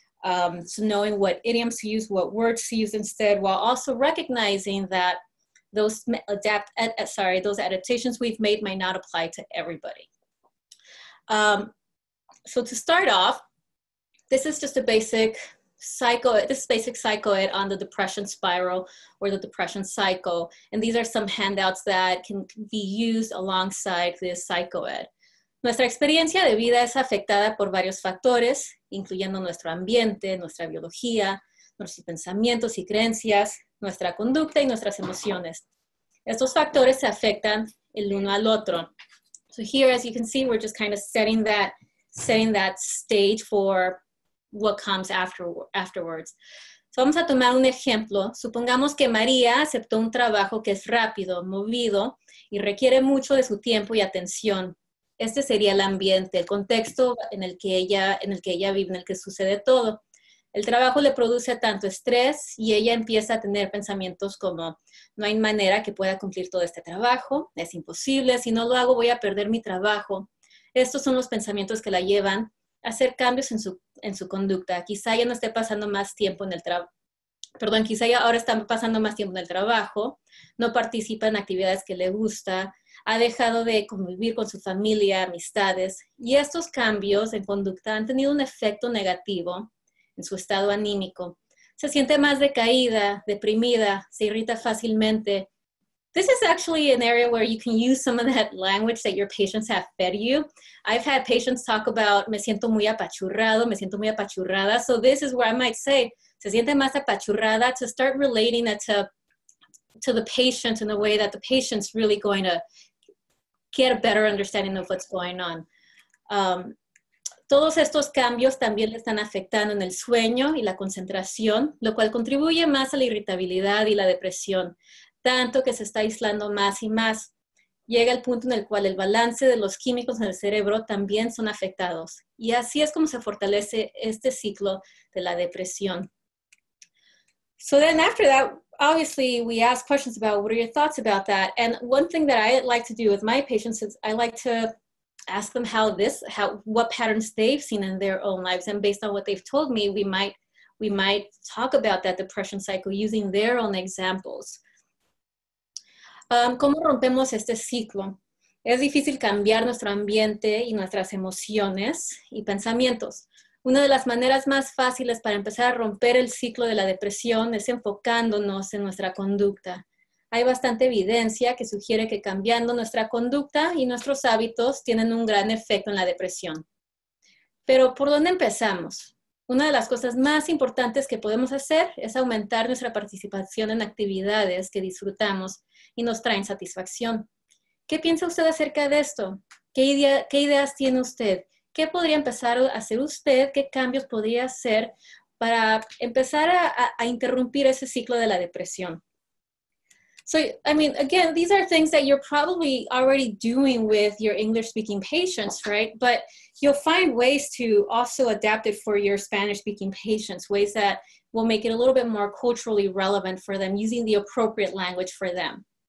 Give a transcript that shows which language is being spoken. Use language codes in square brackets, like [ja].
[en] So knowing what idioms to use, what words to use instead, while also recognizing that those adaptations we've made might not apply to everybody. So to start off, this is just a basic psychoed on the depression spiral or the depression cycle. And these are some handouts that can be used alongside this psychoed. [es] Nuestra experiencia de vida es afectada por varios factores, incluyendo nuestro ambiente, nuestra biología, nuestros pensamientos y creencias, nuestra conducta y nuestras emociones. Estos factores se afectan el uno al otro. [en] So here, as you can see, we're just kind of setting that stage for what comes afterwards. [es] So vamos a tomar un ejemplo. Supongamos que María aceptó un trabajo que es rápido, movido y requiere mucho de su tiempo y atención. Este sería el ambiente, el contexto en el que ella vive, en el que sucede todo. El trabajo le produce tanto estrés y ella empieza a tener pensamientos como, no hay manera que pueda cumplir todo este trabajo, es imposible, si no lo hago voy a perder mi trabajo. Estos son los pensamientos que la llevan a hacer cambios en su conducta. Quizá ya no esté pasando más tiempo en el trabajo. Perdón, quizá ya ahora está pasando más tiempo en el trabajo, no participa en actividades que le gusta, ha dejado de convivir con su familia, amistades, y estos cambios en conducta han tenido un efecto negativo en su estado anímico. Se siente más decaída, deprimida, se irrita fácilmente. [en] This is actually an area where you can use some of that language that your patients have fed you. I've had patients talk about, [es] me siento muy apachurrado, me siento muy apachurrada. [en] So this is where I might say, [es] se siente más apachurrada, [en] to start relating it to the patient in a way that the patient's really going to get a better understanding of what's going on. [es] Todos estos cambios también le están afectando en el sueño y la concentración, lo cual contribuye más a la irritabilidad y la depresión, tanto que se está aislando más y más. Llega el punto en el cual el balance de los químicos en el cerebro también son afectados. Y así es como se fortalece este ciclo de la depresión. [en] So then after that, obviously we ask questions about what are your thoughts about that. And one thing that I like to do with my patients is I like to ask them what patterns they've seen in their own lives. And based on what they've told me, we might talk about that depression cycle using their own examples. [es] ¿Cómo rompemos este ciclo? Es difícil cambiar nuestro ambiente y nuestras emociones y pensamientos. Una de las maneras más fáciles para empezar a romper el ciclo de la depresión es enfocándonos en nuestra conducta. Hay bastante evidencia que sugiere que cambiando nuestra conducta y nuestros hábitos tienen un gran efecto en la depresión. Pero, ¿por dónde empezamos? Una de las cosas más importantes que podemos hacer es aumentar nuestra participación en actividades que disfrutamos y nos traen satisfacción. ¿Qué piensa usted acerca de esto? ¿Qué ideas tiene usted? ¿Qué podría empezar a hacer usted? ¿Qué cambios podría hacer para empezar a interrumpir ese ciclo de la depresión? [en] So, I mean, again, these are things that you're probably already doing with your English-speaking patients, right? But you'll find ways to also adapt it for your Spanish-speaking patients, ways that will make it a little bit more culturally relevant for them, using the appropriate language for them.